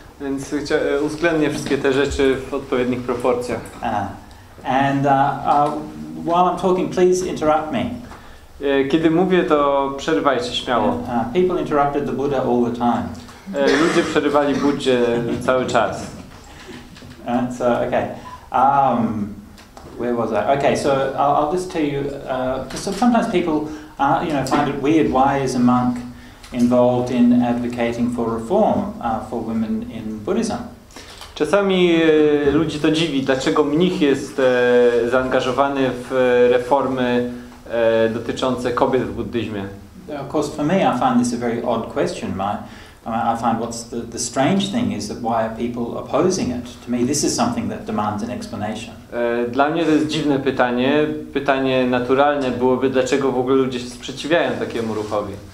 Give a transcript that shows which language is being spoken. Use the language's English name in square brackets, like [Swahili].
[Polish] Więc uwzględnię wszystkie te rzeczy w odpowiednich proporcjach. [English] And while I'm talking, please interrupt me. [Polish] Kiedy mówię, to przerywajcie śmiało. [English] People interrupted the Buddha all the time. [Polish] Ludzie przerywali Buddzie cały czas. [English] So okay. Where was I? Okay, so I'll just tell you, because sometimes people, you know, find it weird. Why is a monk involved in advocating for reform for women in Buddhism? [Polish] Czasami ludzi to dziwi, dlaczego mnich jest zaangażowany w reformy dotyczące kobiet w buddyzmie. [English] Of course, for me, I find this a very odd question. I find what's the strange thing is that why are people opposing it? To me, this is something that demands an explanation. [Polish] Dla mnie to jest dziwne pytanie. Pytanie naturalne byłoby, dlaczego w ogóle ludzie się sprzeciwiają takiemu ruchowi.